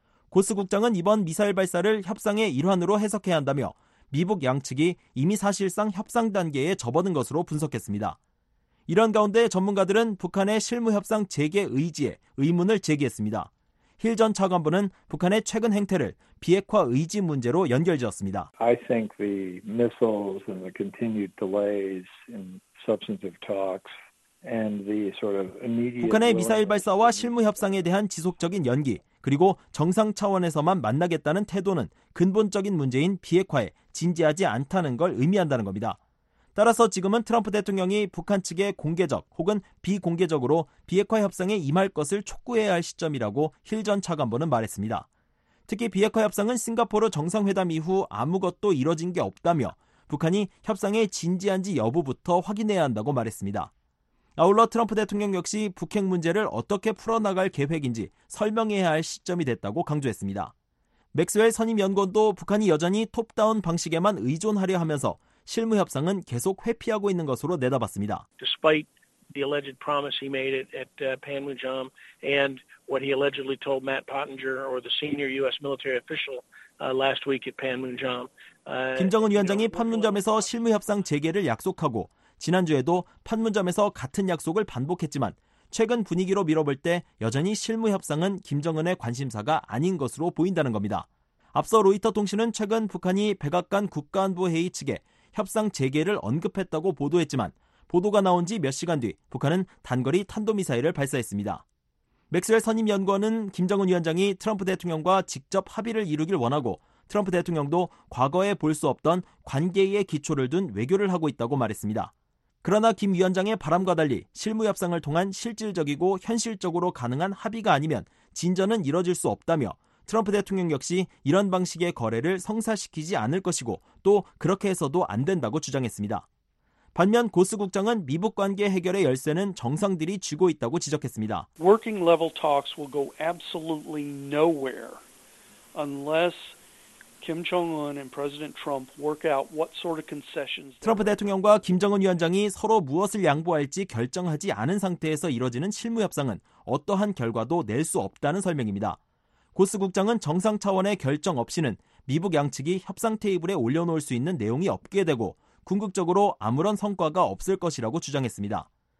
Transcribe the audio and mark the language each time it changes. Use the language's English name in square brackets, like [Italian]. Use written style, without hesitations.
[Korean] 고스 국장은 이번 미사일 발사를 협상의 일환으로 해석해야 한다며 미북 양측이 이미 사실상 협상 단계에 접어든 것으로 분석했습니다. 이런 가운데 전문가들은 북한의 실무 협상 재개 의지에 의문을 제기했습니다. 힐 전 차관보는 북한의 최근 행태를 비핵화 의지 문제로 연결 지었습니다. [English] I think the missiles and the continued delays in substantive talks and the sort of immediate [Korean] 북한의 미사일 발사와 실무 협상에 대한 지속적인 연기 그리고 정상 차원에서만 만나겠다는 태도는 근본적인 문제인 비핵화에 진지하지 않다는 걸 의미한다는 겁니다. 따라서 지금은 트럼프 대통령이 북한 측에 공개적 혹은 비공개적으로 비핵화 협상에 임할 것을 촉구해야 할 시점이라고 힐 전 차관보는 말했습니다. 특히 비핵화 협상은 싱가포르 정상회담 이후 아무것도 이뤄진 게 없다며 북한이 협상에 진지한지 여부부터 확인해야 한다고 말했습니다. 아울러 트럼프 대통령 역시 북핵 문제를 어떻게 풀어나갈 계획인지 설명해야 할 시점이 됐다고 강조했습니다. 맥스웰 선임연구원도 북한이 여전히 톱다운 방식에만 의존하려 하면서 실무 협상은 계속 회피하고 있는 것으로 내다봤습니다. [English] Despite the alleged promise he made at Panmunjom and what he allegedly told Matt Pottinger or the senior U.S. military official last week at Panmunjom. [Korean] 김정은 위원장이 판문점에서 실무 협상 재개를 약속하고 지난주에도 판문점에서 같은 약속을 반복했지만 최근 분위기로 미뤄볼 때 여전히 실무 협상은 김정은의 관심사가 아닌 것으로 보인다는 겁니다. 앞서 로이터 통신은 최근 북한이 백악관 국가안보 회의 측에 협상 재개를 언급했다고 보도했지만 보도가 나온 지 몇 시간 뒤 북한은 단거리 탄도미사일을 발사했습니다. 맥스웰 선임연구원은 김정은 위원장이 트럼프 대통령과 직접 합의를 이루길 원하고 트럼프 대통령도 과거에 볼 수 없던 관계의 기초를 둔 외교를 하고 있다고 말했습니다. 그러나 김 위원장의 바람과 달리 실무협상을 통한 실질적이고 현실적으로 가능한 합의가 아니면 진전은 이뤄질 수 없다며 트럼프 대통령 역시 이런 방식의 거래를 성사시키지 않을 것이고 또 그렇게 해서도 안 된다고 주장했습니다. 반면 고스 국장은 미북 관계 해결의 열쇠는 정상들이 쥐고 있다고 지적했습니다. [English] Working level talks will go absolutely nowhere unless Kim Jong-un and President Trump work out what sort of concessions. [Korean] 트럼프 대통령과 김정은 위원장이 서로 무엇을 양보할지 결정하지 않은 상태에서 이뤄지는 실무 협상은 어떠한 결과도 낼 수 없다는 설명입니다. 고스 국장은 정상 차원의 결정 없이는 미북 양측이 협상 테이블에 올려놓을 수 있는 내용이 없게 되고 궁극적으로 아무런 성과가 없을 것이라고 주장했습니다.